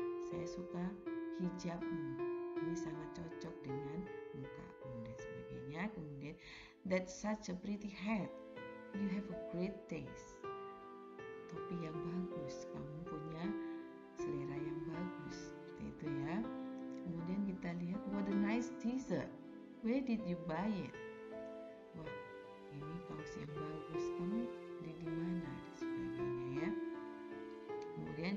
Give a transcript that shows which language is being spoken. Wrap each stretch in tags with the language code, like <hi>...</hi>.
<id>Saya suka hijabmu. Ini sangat cocok dengan mukamu dan sebagainya.</id> <en>Kemudian, that's such a pretty hat. You have a great taste.</en> <id>Topi yang bagus, kamu punya selera yang bagus, seperti itu ya. Kemudian kita lihat,</id> <en>what a nice t-shirt, where did you buy it?</en> <id>Wah, ini kaos yang bagus, kamu di mana, dan sebagainya ya. Kemudian</id>